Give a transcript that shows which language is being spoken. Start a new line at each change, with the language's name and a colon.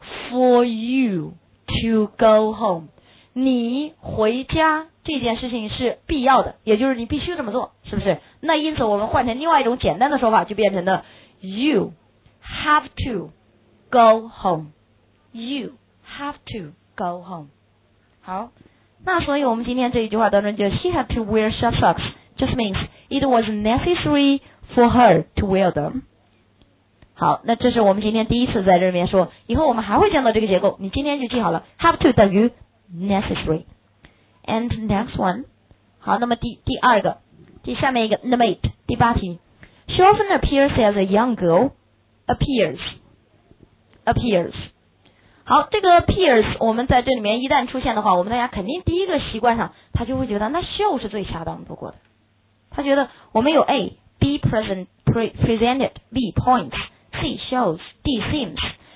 English: For you to go home，
Chinese: 你回家这件事情是必要的，也就是你必须这么做，是不是？那因此我们换成另外一种简单的说法，就变成了
English: You have to go home，
Chinese: You have to go home。好，那所以我们今天这一句话当中就
English: She had to wear short socks just means it was necessary for her to wear them。
Chinese: 好，那这是我们今天第一次在这边说，以后我们还会见到这个结构，你今天就记好了， have to 等于 necessary。
English: And next one，
Chinese: 好，那么第二个，第下面一个
English: number eight，
Chinese: 第八题 ，
English: She often appears as a young girl，
Chinese: appears， 好，这个 appears 我们在这里面一旦出现的话，我们大家肯定第一个习惯上，他就会觉得那 show 是最恰当不过的，他觉得我们有
English: A B present presented B points C shows D seems。